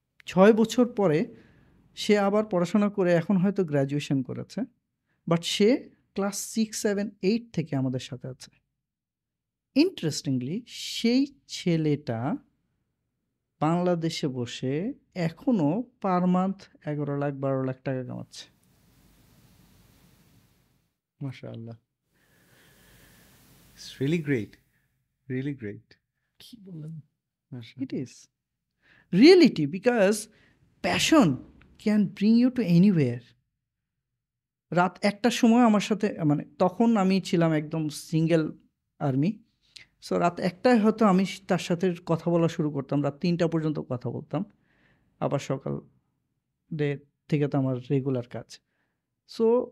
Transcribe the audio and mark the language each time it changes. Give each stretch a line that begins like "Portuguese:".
Bangla: 6 বছর পরে সে আবার পড়াশোনা করে এখন হয়তো গ্রাজুয়েশন করেছে, বাট সে ক্লাস 6, 7, 8 থেকে আমাদের সাথে আছে। ইন্টারেস্টিংলি সেই ছেলেটা বাংলাদেশে বসে এখনও পার মান্থ 11 লাখ 12 লাখ টাকা কামাচ্ছে।
English: মাশাআল্লাহ, it's really great, really great.
Bangla: কি বলেন,
English: it is reality, because passion can bring you to anywhere.
Bangla: রাত একটার সময় আমার সাথে, মানে তখন আমি ছিলাম একদম সিঙ্গেল আর্মি, সো রাত একটায় হয়তো আমি তার সাথে কথা বলা শুরু করতাম, রাত 3টা পর্যন্ত কথা বলতাম, আবার সকাল থেকে তো আমার রেগুলার কাজ। সো